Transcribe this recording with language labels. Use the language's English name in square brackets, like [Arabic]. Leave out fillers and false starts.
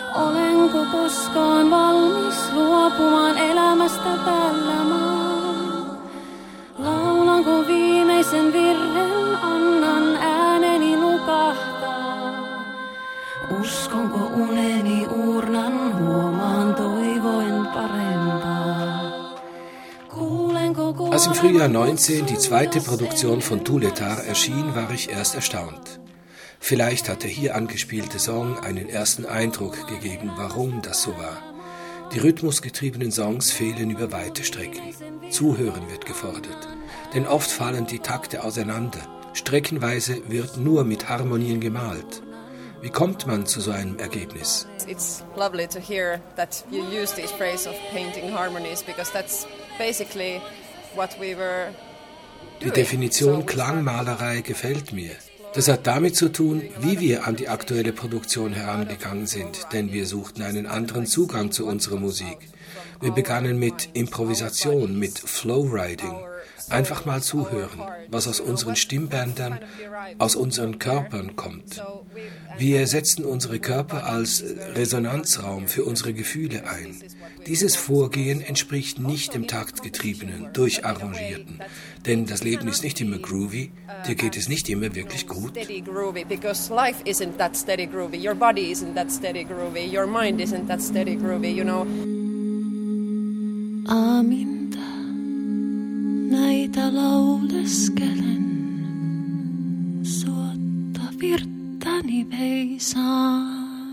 [Finnish] Olenko koskaan valmis luopumaan elämästä tällä maan? Laulanko viimeisen virren, annan ääneni nukahtaa? Uskonko uneni uurnan, huomaan toivoen parempaa? Kuulenko kuoleman... [German] Als im Frühjahr 19 die zweite Produktion von Tuletar erschien, war ich erst erstaunt. Vielleicht hat der hier angespielte Song einen ersten Eindruck gegeben, warum das so war. Die rhythmusgetriebenen Songs fehlen über weite Strecken. Zuhören wird gefordert. Denn oft fallen die Takte auseinander. Streckenweise wird nur mit Harmonien gemalt. Wie kommt man zu so einem Ergebnis? [English] It's lovely to hear that you use this phrase of painting harmonies, because that's basically what we were doing. [German] Die Definition Klangmalerei gefällt mir. Das hat damit zu tun, wie wir an die aktuelle Produktion herangegangen sind, denn wir suchten einen anderen Zugang zu unserer Musik. Wir begannen mit Improvisation, mit Flowriding. Einfach mal zuhören, was aus unseren Stimmbändern, aus unseren Körpern kommt. Wir setzten unsere Körper als Resonanzraum für unsere Gefühle ein. Dieses Vorgehen entspricht nicht dem taktgetriebenen, durcharrangierten. Denn das Leben ist nicht immer groovy, dir geht es nicht immer wirklich gut. [English] Because life isn't that steady groovy, your body isn't that steady groovy, your mind isn't that steady groovy, you know. [Finnish] Aaminta, näitä lauleskelen, suotta virttäni veisaan.